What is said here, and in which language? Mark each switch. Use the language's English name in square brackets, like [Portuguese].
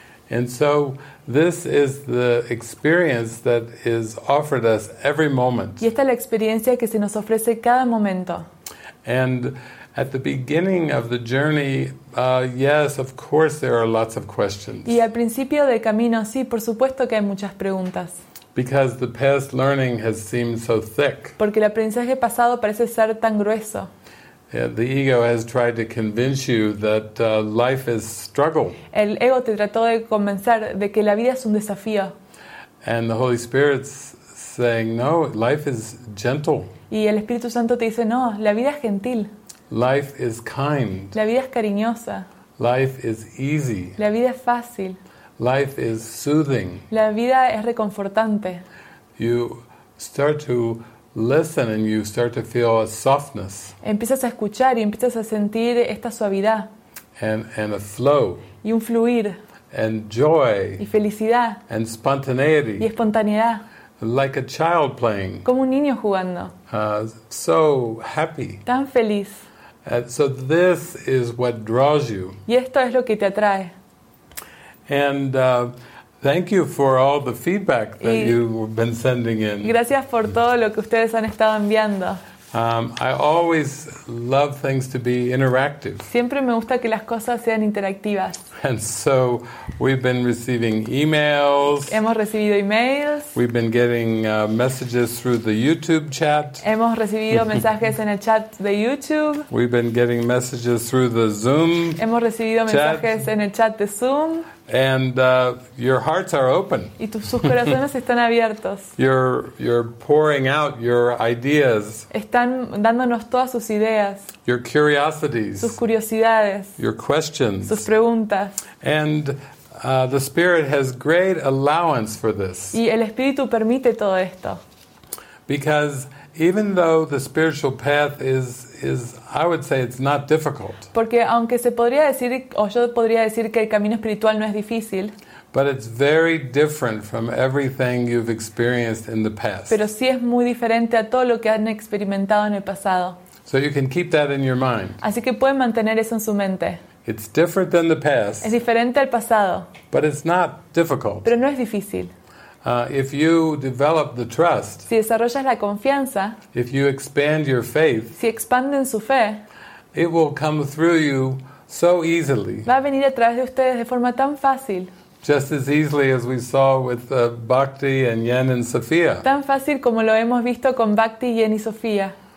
[English] And so this is the experience that is offered us every moment. [Spanish] Y esta es la experiencia que se nos ofrece cada momento. [English] And at the beginning of the journey, yes, of course there are lots of questions. [Spanish] Y al principio del camino, sí, por supuesto que hay muchas preguntas. [English] Because the past learning has seemed so thick. [Spanish] Porque el aprendizaje pasado parece ser tan grueso. [English] Yeah, the ego has tried to convince you that life is struggle. [Spanish] El ego te trató de convencer de que la vida es un desafío. [English] And the Holy Spirit's saying, no, life is gentle. [Spanish] Y el Espíritu Santo te dice, no, la vida es gentil. [English] Life is kind. [Spanish] La vida es cariñosa. [English] Life is easy. [Spanish] La vida es fácil. [English] Life is soothing. [Spanish] La vida es reconfortante. [English] You start to listen and you start to feel a softness. [Spanish] Empiezas a escuchar y empiezas a sentir esta suavidad. [English] And a flow. [Spanish] Y un fluir. [English] And joy. [Spanish] Y felicidad. [English] And spontaneity. [Spanish] Y espontaneidad. [English] Like a child playing. [Spanish] Como un niño jugando. [English] So happy. [Spanish] Tan feliz. [English] So this is what draws you. [Spanish] Y esto es lo que te atrae. [English] And thank you for all the feedback that you've been sending in. [Spanish] Gracias por todo lo que ustedes han estado enviando. [English] I always love things to be interactive. [Spanish] Siempre me gusta que las cosas sean interactivas. [English] And so we've been receiving emails. [Spanish] Hemos recibido emails. [English] We've been getting messages through the YouTube chat. [Spanish] Hemos recibido mensajes en el chat de YouTube. [English] We've been getting messages through the Zoom. [Spanish] Hemos recibido mensajes en el chat de Zoom. [English] And your hearts are open. [Spanish] Y sus corazones están abiertos. [English] You're pouring out your ideas. [Spanish] Están dándonos todas sus ideas. [English] Your curiosities. [Spanish] Sus curiosidades. [English] Your questions. [Spanish] Sus preguntas. [English] And the Spirit has great allowance for this. [Spanish] Y el Espíritu permite todo esto. [English] Because even though the spiritual path is, I would say it's not difficult. [Spanish] Porque aunque se podría decir, o yo podría decir que el camino espiritual no es difícil. [English] But it's very different from everything you've experienced in the past. [Spanish] Pero sí es muy diferente a todo lo que han experimentado en el pasado. [English] So you can keep that in your mind. [Spanish] Así que pueden mantener eso en su mente. [English] It's different than the past. [Spanish] Es diferente al pasado. [English] But it's not difficult. [Spanish] Pero no es difícil. [English] If you develop the trust, [Spanish] si desarrollas la confianza, [English] if you expand your faith, [Spanish] si expanden su fe, [English] it will come through you so easily. [Spanish] Va a venir a través de ustedes de forma tan fácil. [English] Just as easily as we saw with Bhakti and Yen and Sophia. [Spanish] Tan fácil como lo hemos visto con Bhakti, Yen y Sofía.